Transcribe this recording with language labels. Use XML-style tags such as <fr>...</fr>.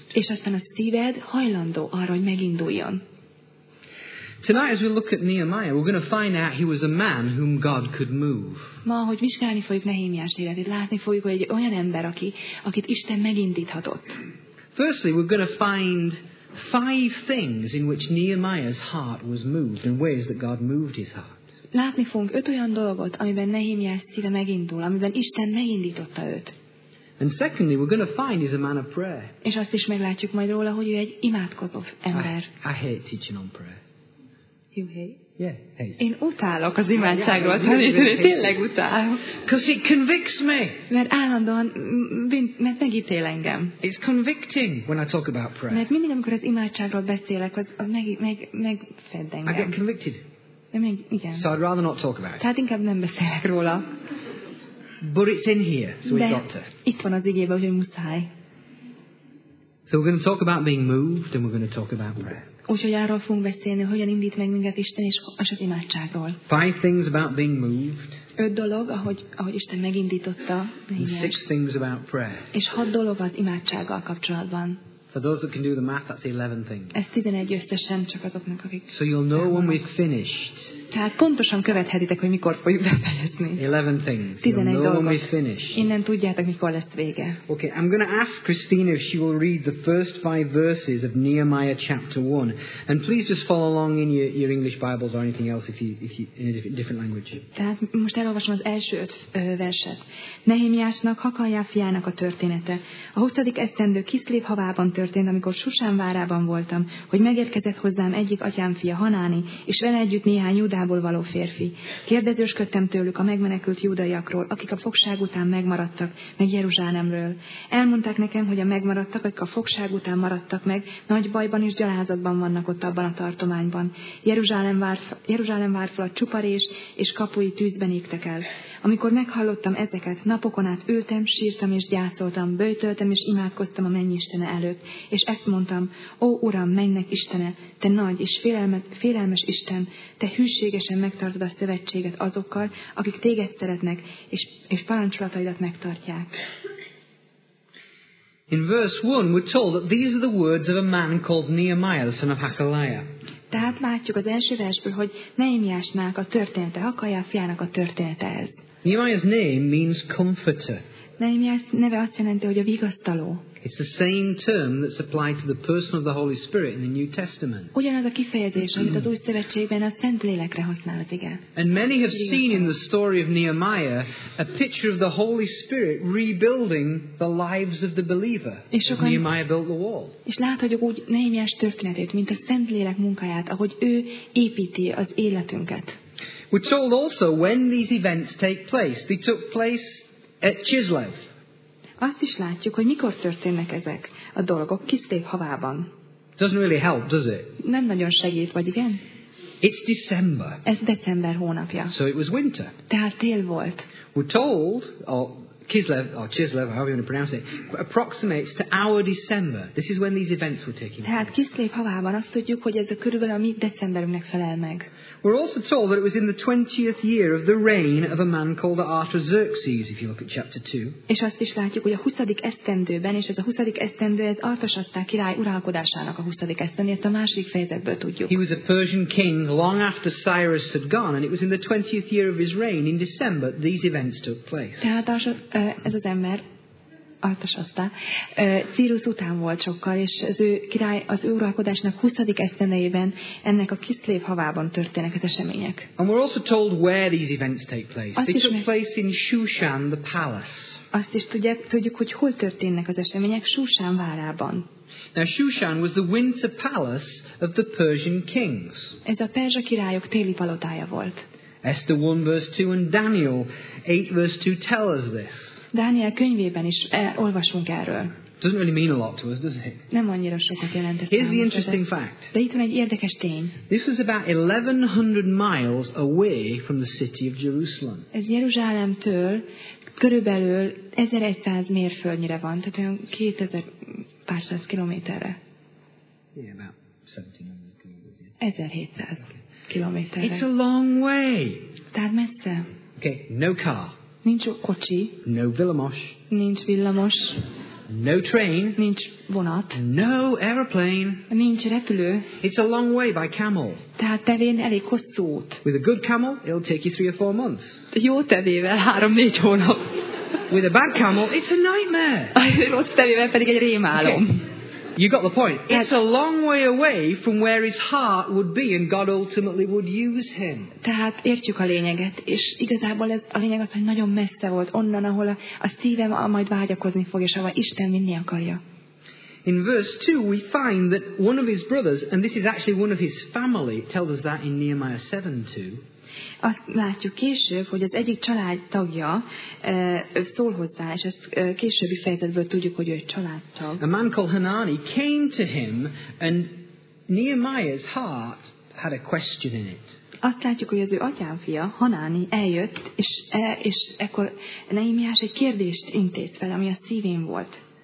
<hu>És aztán a szíved hajlandó arra, hogy meginduljon.</hu> <en>Tonight, as we look at Nehemiah, we're going to find out he was a man whom God could move.</en> <hu>Ma, hogy vizsgálni fogjuk Nehémiás életét, látni fogjuk, hogy egy olyan ember, akit Isten megindíthatott.</hu> <en>Firstly, we're going to find 5 things in which Nehemiah's heart was moved, and ways that God moved his heart.</en> <hu>Látni fogunk 5 olyan dolgot, amiben Nehémiás szíve megindul, amiben Isten megindította őt.</hu> <en>And secondly, we're going to find he's a man of prayer.</en> <hu>És azt is meglátjuk majd róla, hogy ő egy imádkozó ember.</hu> <en>I hate teaching on prayer. You hate? Yeah, hate.</en> <hu>Én utálok az imádságról tanítani, tényleg utálom.</hu> <en>Because it convicts me.</en> <hu>Mert állandóan, mert megítél engem.</hu> <en>It's convicting when I talk about prayer.</en> <hu>Mert mindig, amikor az imádságról beszélek, az megfed engem.</hu> <en>I get convicted.</en> <hu>Igen.</hu> <en>So I'd rather not talk about it.</en> <hu>Tehát inkább nem beszélek róla.</hu> <en>But it's in here, so we've got to.</en> <hu>Itt van az igében, hogy muszáj.</hu> <en>So we're going to talk about being moved, and we're going to talk about prayer.</en> <hu>Úgyhogy arról fogunk beszélni, hogyan indít meg minket Isten és az imádságról.</hu> <en>Five things about being moved.</en> <hu>Öt dolog, ahogy Isten megindította.</hu> <en>And six things about prayer.</en> <hu>És hat dolog az imádsággal kapcsolatban.</hu> <en>For those that can do the math, that's 11 things.</en> <hu>Ez 11 összesen csak azoknak, akik.</hu> <en>So you'll know when we've finished.</en> <hu>Tehát pontosan követhetitek, hogy mikor fogjuk befejezni.</hu> <en>11 things. You'll know when we finish.</en> <hu>Innen tudjátok, mikor lesz vége.</hu> <en>Okay, I'm going to ask Christina if she will read the first five verses of Nehemiah chapter 1. And please just follow along in your English Bibles or anything else if you in a different language.</en> <hu>Tehát most elolvasom az első öt verset. Nehemiásnak, Hakaljá fiának a története. A 20. esztendő Kiszlév havában történt, amikor Susán várában voltam, hogy megérkezett hozzám egyik atyám fia Hanáni, és vele együtt néhány Júdából való férfi. Kérdezősködtem tőlük a megmenekült júdaiakról, akik a fogság után megmaradtak, meg Jeruzsálemről. Elmondták nekem, hogy a megmaradtak, akik a fogság után maradtak meg, nagy bajban és gyalázatban vannak ott abban a tartományban. Jeruzsálem vár falat csuparés és kapui tűzben égtek el. Amikor meghallottam ezeket, napokon át ültem, sírtam és gyászoltam, böjtöltem és imádkoztam a menny istene előtt, és ezt mondtam, ó Uram, mennek istene, te nagy és félelmes Isten, te hűségesen megtartod a szövetséget azokkal, akik téged szeretnek, és parancsolataidat megtartják.</hu> <en>In verse 1 we're told that these are the words of a man called Nehemiah, the son of Hakaliah.</en> <hu>Tehát látjuk az első versből, hogy Nehemiásnak a története, Hakaliah fiának a története ez.</hu> <en>Nehemiah's name means comforter.</en> <hu>Nehemiás neve azt jelenti, hogy a vigasztaló.</hu> <en>It's the same term that's applied to the person of the Holy Spirit in the New Testament.</en> <hu>Ugyanaz a kifejezés, amit az Új Szövetségben a Szentlélekre használ, igen.</hu> <en>And many have seen in the story of Nehemiah a picture of the Holy Spirit rebuilding the lives of the believer.</en> <hu>És sokan,</hu> <en>as Nehemiah built the wall.</en> <hu>És láthatjuk úgy Nehemiás történetét, mint a Szentlélek munkáját, ahogy ő építi az életünket.</hu> <en>We're told also when these events take place. They took place at Chislev.</en> <hu>Azt is látjuk, hogy mikor történnek ezek a dolgok Kiszlév havában.</hu> <en>Doesn't really help, does it?</en> <hu>Nem nagyon segít, vagy igen?</hu> <en>It's December.</en> <hu>Ez december hónapja.</hu> <en>So it was winter.</en> <hu>Tehát tél volt.</hu> <en>We're told, Chislev, however you want to pronounce it, approximates to our December. This is when these events were taking place.</en> <hu>Tehát Kiszlév havában azt tudjuk, hogy ez a körülbelül a mi decemberünknek felel meg.</hu> <en>We're also told that it was in the 20th year of the reign of a man called Artaxerxes, if you look at chapter 2.</en> <hu>És azt is látjuk, hogy a 20. esztendőben, és ez a 20. esztendő, ez Artaxerxes király uralkodásának a 20. esztendője, ezt a másik fejezetből tudjuk.</hu> <en>He was a Persian king long after Cyrus had gone, and it was in the 20th year of his reign, in December, these events took place.</en> <hu>Tehát ez az ember, Artaxerxes, Cyrus után volt sokkal, és az ő király az ő uralkodásnak 20. esztendejében, ennek a Kiszlév havában történnek az események.</hu> <en>And we're also told where these events take place.</en> <hu>Azt</hu> <en>they took place in Shushan, the palace.</en> <hu>Azt is tudjuk, hogy hol történnek az események, Shushan várában.</hu> <en>Now Shushan was the winter palace of the Persian kings.</en> <hu>Ez a perzsa királyok téli palotája volt.</hu> <en>Esther 1 verse 2 and Daniel 8 verse 2 tell us this.</en> <hu>Dániel könyvében is olvasunk erről.</hu> <en>Doesn't really mean a lot to us, does it?</en> <hu>Nem annyira sokat jelent.</hu> <en>Here's the interesting fact.</en> <hu>De itt van egy érdekes tény.</hu> <en>This is about 1100 miles away from the city of Jerusalem.</en> <hu>Ez Jeruzsálemtől körülbelül 1100 mérföldnyire van, tehát olyan 2500 kilométerre.</hu> <en>Yeah, about 1700</en> <hu>kilométerre. 1700 kilométerre.</hu> <en>It's a long way.</en> <hu>Tehát messze.</hu> <en>Okay, no car.</en> <hu>Nincs kocsi.</hu> <en>No villamos.</en> <hu>Nincs villamos.</hu> <en>No train.</en> <hu>Nincs vonat.</hu> <en>No aeroplane.</en> <hu>Nincs repülő.</hu> <en>It's a long way by camel.</en> <hu>Tehát tevén elég hosszú út.</hu> <en>With a good camel, it'll take you 3 or 4 months.</en> <hu>Jó tevével 3-4 hónap.</hu> <en>With a bad camel, it's a nightmare.</en> <hu>Rossz tevével pedig egy rémálom.</hu> <en>Okay. You got the point. It's a long way away from where his heart would be, and God ultimately would use him.</en> <hu>Tehát értjük a lényeget, és igazából ez a lényeg az, hogy nagyon messze volt onnan, ahol a szívem majd vágyakozni fog, és ahol Isten vinni akarja.</hu> <en>In verse 2 we find that one of his brothers, and this is actually one of his family, tells us that in Nehemiah 7:2.</en> <hu>Azt látjuk később, hogy az egyik családtagja szól hozzá, és ezt későbbi fejezetből tudjuk, hogy ő egy családtag.</hu> <en>A man called Hanani came to him, and Nehemiah's heart had a question in it.</en> <hu>Azt látjuk, hogy az ő atyám fia, Hanani, eljött, és ekkor Nehemiás egy kérdést intéz fel, ami a szívén volt.</hu>